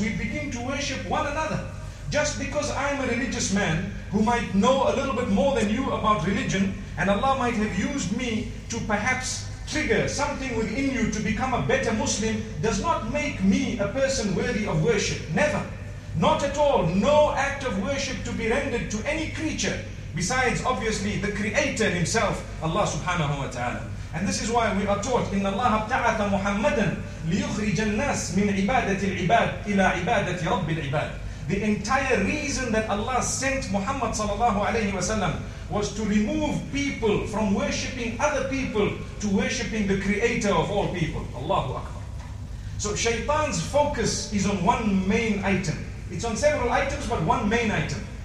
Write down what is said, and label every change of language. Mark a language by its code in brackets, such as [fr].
[en] We begin to worship one another. Just because I'm a religious man who might know a little bit more than you about religion, and Allah might have used me to perhaps trigger something within you to become a better Muslim, does not make me a person worthy of worship. Never. Not at all. No act of worship to be rendered to any creature besides, obviously, the Creator Himself, Allah subhanahu wa ta'ala. And this is why we are taught, [ar] إِنَّ اللَّهَ ابْتَعَثَ مُحَمَّدًا لِيُخْرِجَ النَّاسِ مِنْ عِبَادَةِ الْعِبَادِ إِلَىٰ عِبَادَةِ رَبِّ الْعِبَادِ. [en] The entire reason that Allah sent Muhammad sallallahu alayhi wa sallam was to remove people from worshipping other people to worshipping the Creator of all people. Allahu Akbar. So Shaytan's focus is on one main item. It's on several items, but one main item.